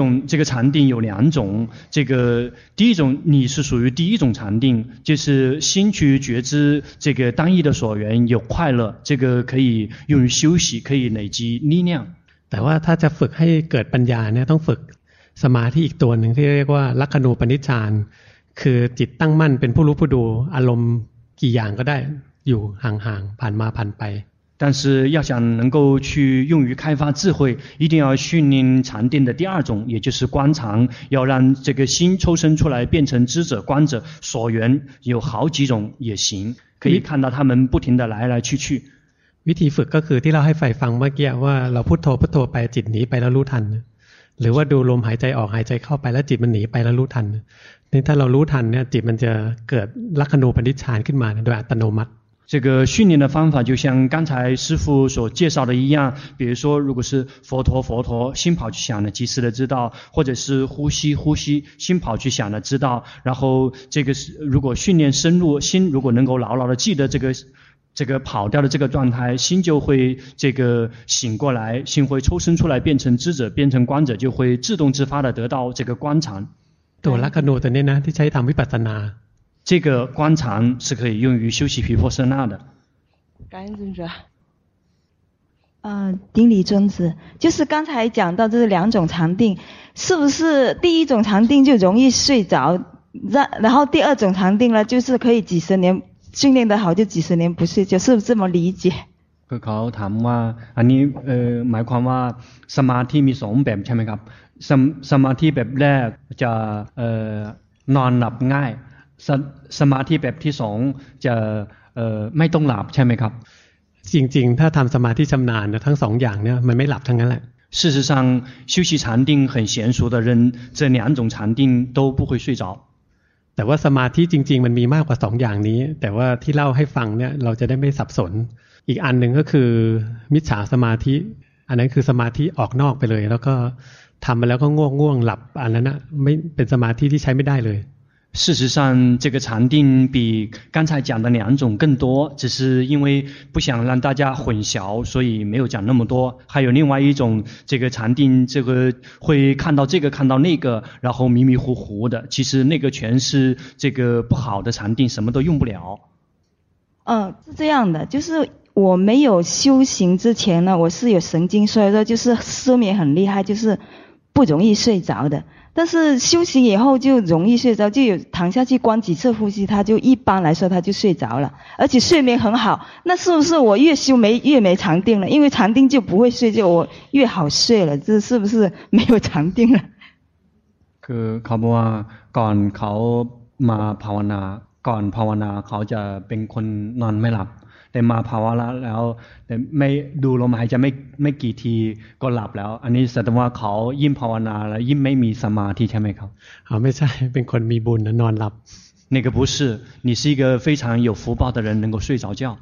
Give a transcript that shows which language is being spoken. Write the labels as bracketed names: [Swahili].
[Chinese] 这个禅定有2种，这个第一种你是属于第一种禅定，就是心去觉知这个单一的所缘有快乐，这个可以用于休息，可以累积力量。 [Thai] แต่ว่าถ้าจะฝึกให้เกิดปัญญาเนี่ยต้องฝึกสมาธิอีกตัวหนึ่งที่เรียกว่าลัคนูปนิชฌานคือจิตตั้งมั่นเป็นผู้รู้ผู้ดูอารมณ์กี่อย่างก็ได้อยู่ห่างๆผ่านมาผ่านไป [Chinese] 但是要想能够去用于开发智慧，一定要训练禅定的第二种，也就是观常，要让这个心抽身出来，变成知者、观者、所缘，有好几种也行，可以看到他们不停的来来去去。 [Thai] วิธีฝึกก็คือที่เราให้ไฟฟังเมื่อกี้ว่าเราพุทโธพุทโธไปจิตหนีไปแล้วรู้ทันหรือว่าดูลมหายใจออกหายใจเข้าไปแล้วจิตมันหนีไปแล้วรู้ทันนี่ถ้าเรารู้ทันเนี่ยจิตมันจะเกิดลัคนูปนิชฌานขึ้นมาโดยอัตโนมัติ [Chinese] 这个训练的方法就像刚才师父所介绍的一样，比如说如果是佛陀佛陀，心跑去想的及时的知道，或者是呼吸呼吸，心跑去想的知道，然后这个如果训练深入，心如果能够牢牢的记得这个跑掉的这个状态，心就会这个醒过来，心会抽身出来变成知者，变成观者，就会自动自发的得到这个观常。多拉卡诺的呢，你才谈维巴塞纳。这个观常是可以用于修习毗婆舍那的。感恩尊者。丁理尊子，就是刚才讲到这两种禅定，是不是第一种禅定就容易睡着，然后第二种禅定呢，就是可以几十年训练得好，就几十年不睡觉，是不是这么理解？ [Thai] เขาถามว่าอันนี้หมายความว่าสมาธิมีสองแบบใช่ไหมครับ สมาธิแบบแรกจะนอนหลับง่ายสมาธิแบบที่สองจะไม่ต้องหลับใช่ไหมครับ จริงๆถ้าทำสมาธิชำนาญทั้งสองอย่างเนี่ยมันไม่หลับทั้งนั้นแหละ [Chinese] 事实上修习禅定很娴熟的人这两种禅定都不会睡着 [Thai] แต่ว่าสมาธิจริงๆมันมีมากกว่าสองอย่างนี้แต่ว่าที่เล่าให้ฟังเนี่ยเราจะได้ไม่สับสนอีกอันหนึ่งก็คือมิจฉาสมาธิอันนั้นคือสมาธิออกนอกไปเลยแล้วก็ทำไปแล้วก็ง่วงหลับอันนั้นนะไม่เป็นสมาธิที่ใช้ไม่ได้เลย [Chinese] 事实上这个禅定比刚才讲的两种更多只是因为不想让大家混淆所以没有讲那么多还有另外一种这个禅定这个会看到这个看到那个然后迷迷糊糊的其实那个全是这个不好的禅定什么都用不了是这样的就是我没有修行之前呢我是有神经衰弱就是失眠很厉害就是不容易睡着的但是修行以后就容易睡着就有躺下去观几次呼吸他就一般来说他就睡着了而且睡眠很好那是不是我越修越没禅定了因为禅定就不会睡觉我越好睡了这是不是没有禅定了 [Thai] เขาบอกว่าก่อนเขามาภาวนาก่อนภาวนาเขาจะเป็นคนนอนไม่หลับแต่มาภาวนาแล้วแต่ไม่ดูลมหายใจไม่กี่ทีก็หลับแล้วอันนี้แสดงว่าเขายิ่งภาวนาแล้วยิ่งไม่มีสมาธิใช่ไหมครับ ไม่ใช่เป็นคนมีบุญนอนหลับ [Chinese] 那个不是你是一个非常有福报的人能够睡着觉